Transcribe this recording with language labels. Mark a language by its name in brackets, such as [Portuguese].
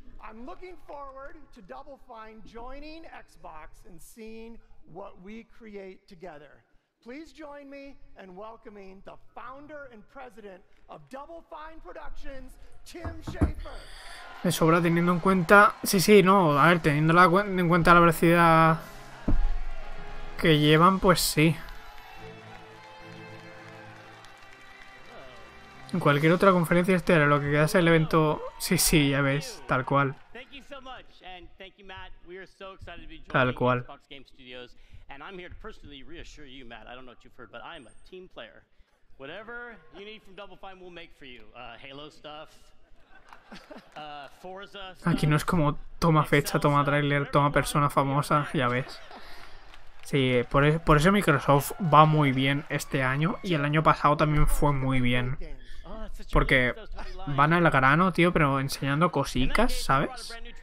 [English] I'm looking forward to Double Fine joining Xbox and seeing what we create together. Please join me in welcoming the founder and president of Double Fine Productions, Tim Schafer. [Spanish] Me sobra teniendo en cuenta. Sí, sí, no. A ver, teniendo en cuenta la velocidad que llevan, pues sí. En cualquier otra conferencia este era lo que quedase el evento. Sí, sí, ya ves, tal cual. Tal cual. [English] Xbox Game Studios, and I'm here to personally reassure you, Matt. I don't know what you've heard, but I'm a team player. Whatever you need from Double Fine, we'll make for you. Halo stuff. Forza. [Spanish] Aquí no es como toma fecha, toma trailer, toma persona famosa, ya ves. Sí, por eso Microsoft va muy bien este año y el año pasado también fue muy bien. Porque van al grano, tío, pero enseñando cositas, ¿sabes?